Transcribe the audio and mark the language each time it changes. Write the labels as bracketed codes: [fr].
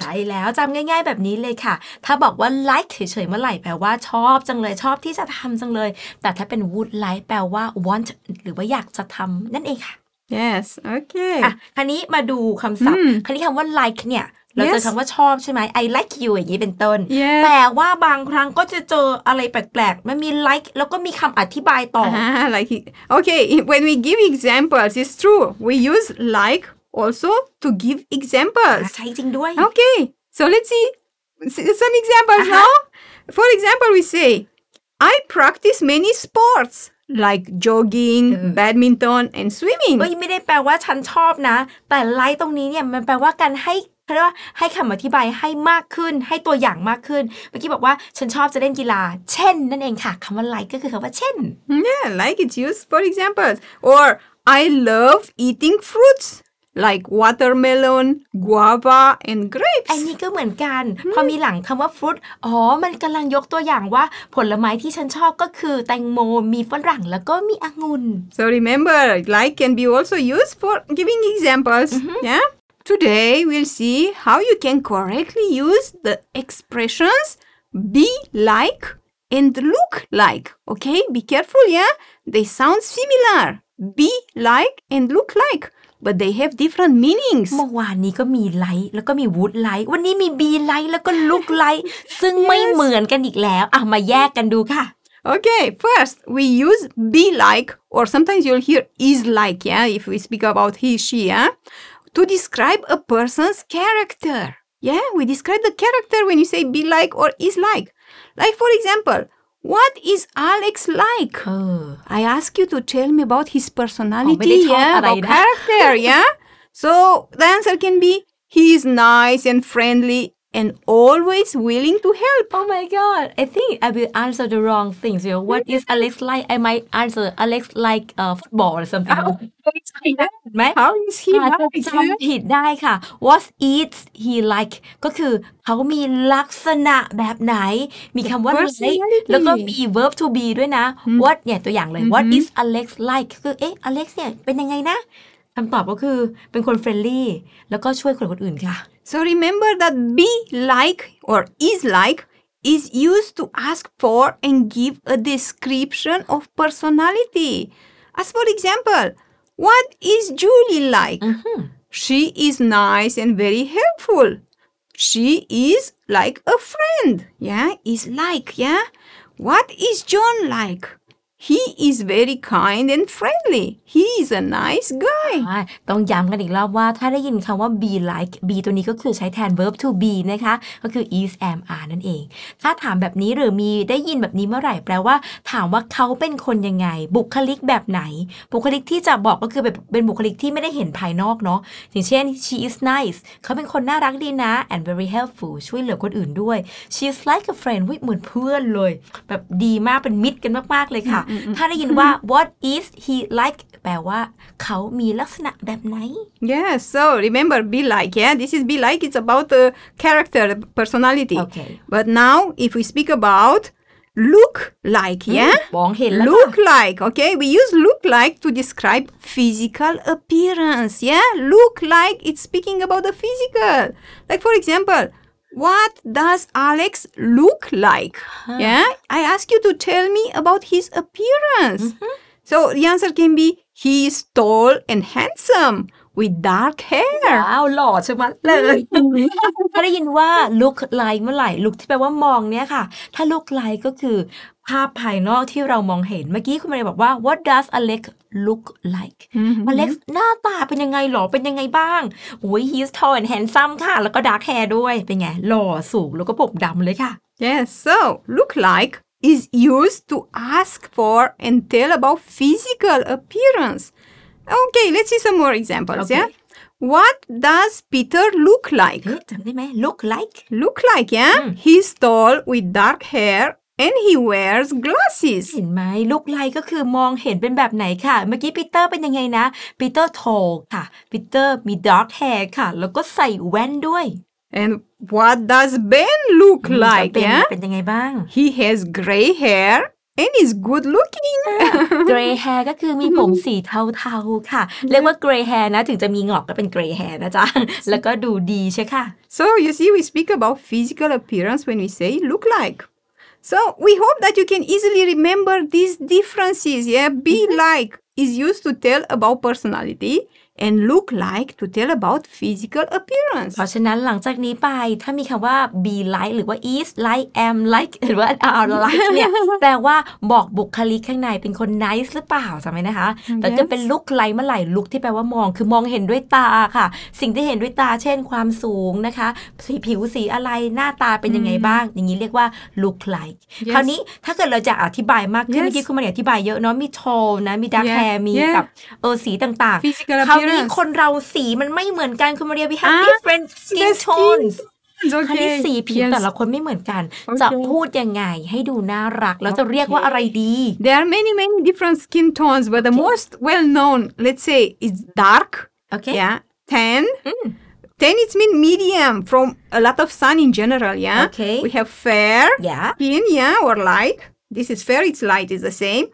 [th] ใช่แล้วจำง่ายๆแบบนี้เลยค่ะถ้าบอกว่า like เฉยๆเมื่อไหร่แปลว่าชอบจังเลยชอบที่จะทำจังเลยแต่ถ้าเป็น would like แปลว่า want หรือว่าอยากจะทำนั่นเองค่ะ [en] Yes, okay. [th] อ่ะคราวนี้มาดูคำศัพท์คราวนี้คำว่า like เนี่ยเราเจอคำว่าชอบใช่ไหม [en] I like you [th] อย่างนี้เป็นต้น [en] yes. [th] แต่ว่าบางครั้งก็จะเจออะไรแปลกๆมันมี like แล้วก็มีคำอธิบายต่อ [en] like okay when we give examples it's true we use like also to give examples [th] ใช่จริงด้วย [en] okay so let's see some examples now for example we say I practice many sportsLike jogging, badminton, and swimming. [th] ไม่ได้แปลว่าฉันชอบนะแต่ like ตรงนี้เนี่ยมันแปลว่าการให้เรียกว่าให้คำอธิบายให้มากขึ้นให้ตัวอย่างมากขึ้นเมื่อกี้บอกว่าฉันชอบจะเล่นกีฬาเช่นนั่นเองค่ะคำว่า like ก็คือคำว่าเช่น [en] Yeah, like it's used for examples. Or I love eating fruits. Like watermelon, guava, and grapes. [th] อันนี้ก็เหมือนกันพอมีหลังคำว่า fruit อ๋อมันกำลังยกตัวอย่างว่าผลไม้ที่ฉันชอบก็คือแตงโมมีฝรั่งแล้วก็มีองุ่น [en] So remember, like can be also used for giving examples. Yeah. Today we'll see how you can correctly use the expressions be like and look like. Okay, be careful, yeah? They sound similar. Be like and look like. But they have different meanings. [th] เมื่อวานนี้ก็มี like แล้วก็มี would like วันนี้มี be like แล้วก็ look like ซึ่ง ไม่เหมือนกันอีกแล้วอ่ะมาแยกกันดูค่ะ [en] Okay, first we use be like or sometimes you'll hear is like yeah if we speak about he she yeah to describe a person's character. Yeah, we describe the character when you say be like or is like. Like for example. What is Alex like? I ask you to tell me about his personality, about character, yeah? So the answer can be, he is nice and friendly and always willing to help. Oh my God, I think I will answer the wrong things. You know, what is Alex like? I might answer Alex like football or something. How is he like? [th] จำผิดได้ค่ะ [en] What is he like? [th] ก็คือเขามีลักษณะแบบไหนมีคำว่า like แล้วก็มี verb to be ด้วยนะ What เนี่ยตัวอย่างเลย [en] What is Alex like? [th] คือเอ๊ะ Alex เนี่ยเป็นยังไงนะคำตอบก็คือเป็นคน friendly แล้วก็ช่วยคนอื่นค่ะ [en] So remember that be like or is like is used to ask for and give a description of personality. As for example, what is Julie like? She is nice and very helpful. She is like a friend. Yeah, is like, yeah. What is John like? He is very kind and friendly. He is a nice guy. [th] ต้องย้ำกันอีกรอบว่าถ้าได้ยินคำว่า be like be ตัวนี้ก็คือใช้แทน verb to be นะคะก็คือ is am are นั่นเองถ้าถามแบบนี้หรือมีได้ยินแบบนี้เมื่อไหร่แปลว่าถามว่าเขาเป็นคนยังไงบุคลิกแบบไหน บุคลิกที่จะบอกก็คือแบบเป็นบุคลิกที่ไม่ได้เห็นภายนอกเนาะอย่างเช่น [en] she is nice [th] เขาเป็นคนน่ารักดีนะ [en] and very helpful [th] ช่วยเหลือคนอื่นด้วย [en] she is like a friend [th] เหมือนเพื่อนเลยแบบดีมากเป็นมิตรกันมากๆเลยค่ะถ้าได้ยินว่า [en] what is he like [th] แปลว่าเขามีลักษณะแบบไหน [en] Yeah so remember be like yeah this is be like it's about the character the personality okay but now if we speak aboutLook like, yeah? [th] มองเห็นแล้วค่ะ [en] Look like, okay? We use look like to describe physical appearance, yeah? Look like it's speaking about the physical. Like, for example, what does Alex look like? Huh. Yeah? I ask you to tell me about his appearance. Mm-hmm. So the answer can be, he is tall and handsome. With dark hair. [th] Wow, หล่อใช่ไหมเลยถ้าได้ยินว่า look like เมื่อไหร่ look ที่แปลว่ามองเนี่ยค่ะถ้า look like ก็คือภาพภายนอกที่เรามองเห็นเมื่อกี้คุณมาเลยบอกว่า [en] what does Alex look like [th] Alex หน้าตาเป็นยังไงหล่อเป็นยังไงบ้างโอ้ย [en] he's tall and handsome [th] ค่ะแล้วก็ dark hair ด้วยเป็นไงหล่อสูงแล้วก็ผมดำเลยค่ะ [en] Yes, so look like is used to ask for and tell about physical appearance. Okay, let's see some more examples, okay. yeah? What does Peter look like? Look like? Look like, yeah? Mm. He's tall with dark hair and he wears glasses. [th] เห็นไหม Look like ก็คือมองเห็นเป็นแบบไหนค่ะเมื่อกี้ Peter เป็นยังไงนะ Peter tall ค่ะ Peter มี dark hair ค่ะแล้วก็ใส่แว่นด้วย [en] And what does Ben look like, ben, yeah? [th] เป็นยังไงบ้าง [en] He has gray hair. And he's good looking. [th] Gray hair ก็คือมีผมสีเทาๆค่ะเรียกว่า gray hair นะถึงจะมีหงอกก็เป็น gray hair นะจ๊ะแล้วก็ดูดีใช่ค่ะ [en] So you see we speak about physical appearance when we say look like. So we hope that you can easily remember these differences. Yeah, be like is used to tell about personality and look like to tell about physical appearance. [th] เพราะฉะนั้นหลังจากนี้ไปถ้ามีคำว่า be like หรือว่า is like am like หรือว่า are like เนี่ยแปลว่าบอกบุคลิกข้างในเป็นคน nice หรือเปล่าใช่ไหมนะคะ [en] yes. [th] แต่จะเป็น look like เมื่อไหร่ look ที่แปลว่ามองคือมองเห็นด้วยตาค่ะสิ่งที่เห็นด้วยตาเช่นความสูงนะคะสีผิวสีอะไรหน้าตาเป็นยังไงบ้างอย่างนี้เรียกว่า look like [en] yes. [th] คราวนี้ถ้าเกิดเราจะอธิบายมากขึ้นเมื่อกี้คุณมาเนี่ยอธิบายเยอะเนาะมี tall นะมี dark hair มีกับสีต่าง ๆ มีคนเราสีมันไม่เหมือนกันคุณมาเรียว [en] we have different skin tones ค okay. [th] นนี้สีผิว [en] yes. [th] แต่ละคนไม่เหมือนกัน [en] okay. [th] จะพูดยังไงให้ดูน่ารักแล้วจะเรียก okay. ว่าอะไรดี [en] there are many many different skin tones but the okay. most well known let's say is dark okay yeah tan tan it's mean medium from a lot of sun in general yeah okay we have fair yeah skin yeah or light This is fair, it's light, it's the same.